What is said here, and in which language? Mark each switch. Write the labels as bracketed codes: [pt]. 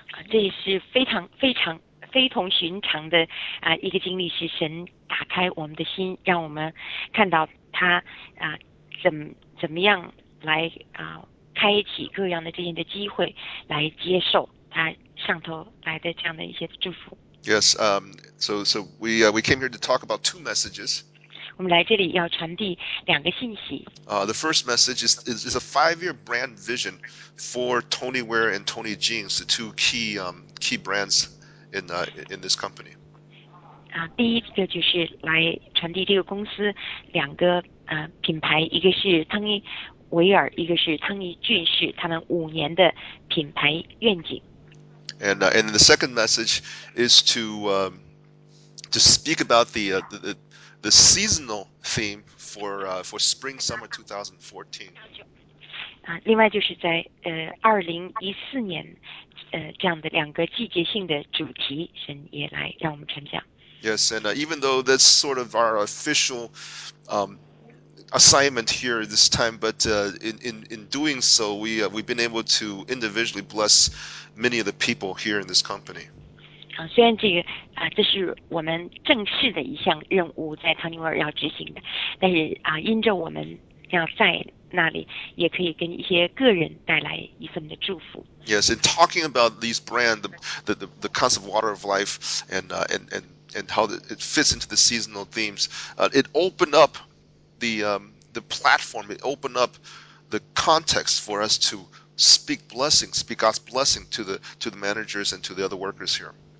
[zh] 这也是非常非常非同寻常的一个经历，是神打开我们的心，让我们看到他怎么样来开启各样的这些的机会，来接受他上头来的这样的一些祝福。 [en] Yes, so we came here to talk about two messages. [zh] 我们来这里要传递两个信息。 [en] The first message is a 5-year brand vision for Tony Ware and Tony Jeans, the two key brands in this company. [zh] 第一个就是来传递这个公司两个品牌，一个是汤尼维尔，一个是汤尼俊士，他们五年的品牌愿景。 [en] And the second message is to speak about the seasonal theme for spring summer 2014. [zh] 另外就是在2014年这样的两个季节性的主题，神也来让我们传讲。 [en] Yes, and even though that's sort of our official assignment here this time, but in doing so, we've been able to individually bless many of the people here in this company. [zh] 虽然这个这是我们正式的一项任务，在汤尼维尔要执行的，但是因着我们要在那里，也可以跟一些个人带来一份的祝福。 [en] Yes, in talking about these brand, the concept of water of life, and how it fits into the seasonal themes, it opened up. The platform, it opened up the context for us to speak blessings, speak God's blessing to the managers and to the other workers here.